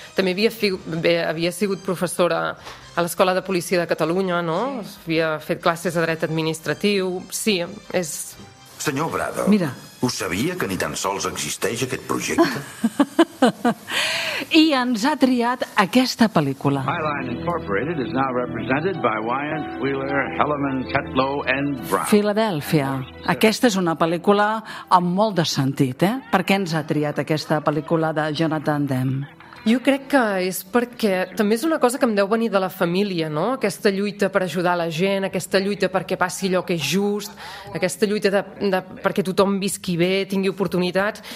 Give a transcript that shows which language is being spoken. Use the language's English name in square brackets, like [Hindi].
[Catalan] També havia sigut professora a l'Escola de Policia de Catalunya, no? Sí. Havia fet classes de dret administratiu. Sí, és... Senyor Brado, mira, ho sabia que ni tan sols existeix aquest projecte? I ens ha triat aquesta pel·lícula. [English] Highline Incorporated is now represented by Wyant, Wheeler, Hellman, Tetlow and Brown. [Catalan] Filadèlfia. Aquesta és una pel·lícula amb molt de sentit, eh? Per què ens ha triat aquesta pel·lícula de Jonathan Demme? Jo crec que és perquè també és una cosa que em deu venir de la família, no? Aquesta lluita per ajudar la gent, aquesta lluita perquè passi allò que és just, aquesta lluita de perquè tothom visqui bé, tingui oportunitats.